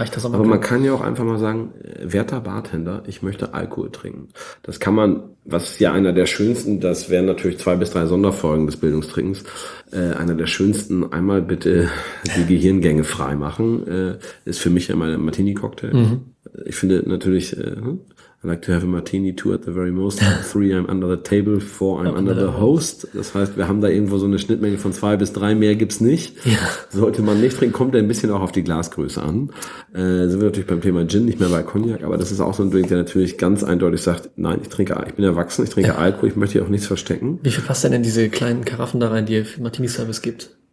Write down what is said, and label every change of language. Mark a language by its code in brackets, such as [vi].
[de] Aber man kann ja auch einfach mal sagen, werter Bartender, ich möchte Alkohol trinken. Das kann man, was ja einer der schönsten, das wären natürlich 2 bis 3 Sonderfolgen des Bildungstrinkens, einer der schönsten, einmal bitte die Gehirngänge freimachen, ist für mich ja mein Martini-Cocktail. Mhm. Ich finde natürlich... [en] I like to have a martini, 2 at the very most, 3 I'm under the table, 4 I'm under the host. [de] Das heißt, wir haben da irgendwo so eine Schnittmenge von 2 bis 3, mehr gibt's nicht. Ja. Sollte man nicht trinken, kommt der ein bisschen auch auf die Glasgröße an. Sind wir natürlich beim Thema Gin, nicht mehr bei Cognac, aber das ist auch so ein Drink, der natürlich ganz eindeutig sagt, nein, ich bin erwachsen, ich trinke Alkohol, ich möchte hier auch nichts verstecken. Wie viel passt denn in diese kleinen Karaffen da rein, die ihr für Martini-Service gibt?